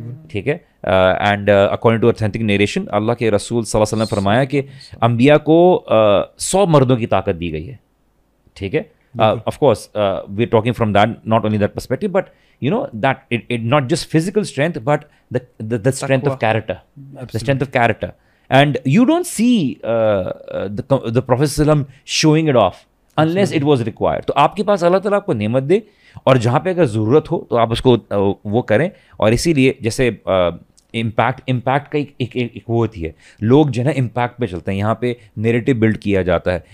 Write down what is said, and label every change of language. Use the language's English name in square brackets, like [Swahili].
[Urdu] ٹھیک ہے, and according to authentic narration اللہ کے رسول صلی اللہ علیہ وسلم نے فرمایا کہ انبیاء کو 100 مردوں کی طاقت دی گئی ہے. [English] ٹھیک ہے, of course we are talking from that, not only that perspective, but you know that it not just physical strength but the strength of character, the strength of character. And you don't see the Prophet sallam showing it off unless it was required. [Urdu] تو آپ کے پاس اللہ تعالیٰ آپ کو نعمت دے, اور جہاں پہ اگر ضرورت ہو تو آپ اس کو وہ کریں. اور اسی لیے جیسے امپیکٹ کا ایک وہ ہوتی ہے, لوگ جو ہے نا امپیکٹ پہ چلتے ہیں, یہاں پہ نیریٹو بلڈ کیا جاتا ہے.